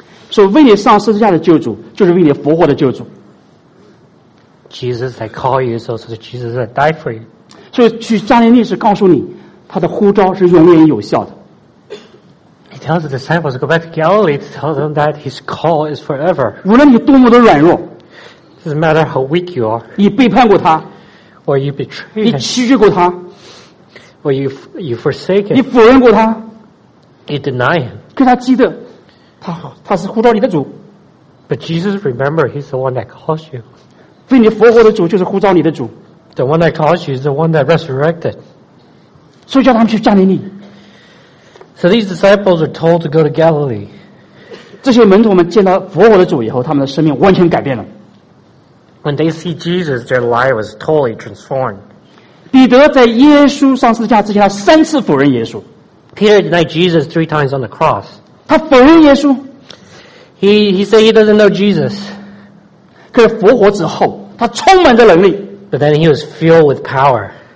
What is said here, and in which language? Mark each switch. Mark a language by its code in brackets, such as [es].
[zh] 所以为你上十字架的救主，就是为你复活的救主。 [en] Jesus that called you, so it's Jesus that died for you. [zh] 所以去加利利是告诉你，他的呼召是永远有效的。 [en] He tells the disciples to go back to Galilee to tell them that His call is forever. [zh] 无论你多么的软弱。 [en] Doesn't matter how weak you are. [zh] 你背叛过他。 [en] Or you betrayed him. [zh] 你欺骗过他。 [en] Or you forsake him. [zh] 你否认过他。 [en] You deny him. [zh] 可他记得他是呼召你的主。 [en] But Jesus, remember, he's the one that calls you. [zh] 为你复活的主就是呼召你的主。 [en] The one that calls you is the one that resurrected. [zh] 所以叫他们去加利利。 [en] So these disciples are told to go to Galilee. [zh] 这些门徒们见到复活的主以后，他们的生命完全改变了。 [en] When they see Jesus, their life was totally transformed. [zh] 彼得在耶稣上十字架之前，他三次否认耶稣。 [en] Peter denied Jesus three times on the cross. [zh] 他否认耶稣。 [en] He said he doesn't know Jesus. [zh] 可是复活之后，他充满着能力。 [en] But then he was filled with power.